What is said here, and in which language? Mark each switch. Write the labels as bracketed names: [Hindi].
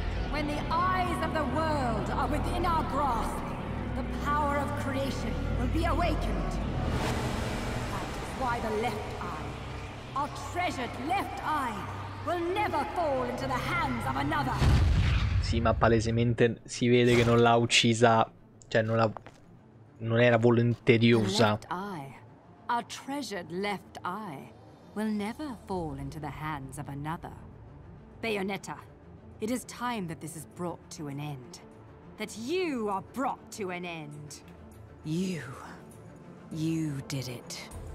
[English] When the eyes of the world are within our grasp, the power of creation will be awakened. That's why the left eye, our treasured left eye, will never fall into the hands of another. [Italian] Sì, ma palesemente si vede che non l'ha uccisa, cioè non era volenterosa. [English] Our treasured left eye will never fall into the hands of another. Bayonetta, it is time that this is brought to an end. That you are brought to an end. You did it.